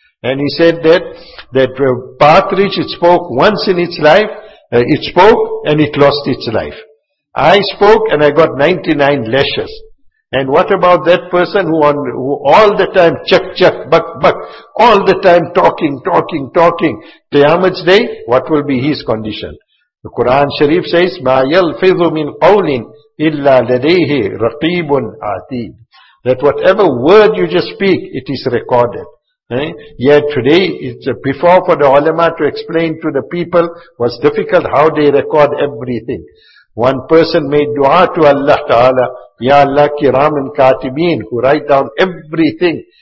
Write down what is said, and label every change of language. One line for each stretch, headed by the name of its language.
English: And he said that partridge, it spoke once in its life, it spoke and it lost its life. I spoke and I got 99 lashes. And what about that person who all the time, chuck, chuck, buck, buck, all the time talking, talking, talking. Qiyamah's day, what will be his condition? The Quran Sharif says,
Arabic: مَا يَلْفِظُ مِنْ قَوْلٍ إِلَّا لَدَيْهِ رَقِيبٌ عَتِيدٌ.
English: That whatever word you just speak, it is recorded. Yet today, it's before for the ulama to explain to the people was difficult how they record everything. One person made dua to Allah Ta'ala, Ya Allah, kiram and katibin, who write down everything.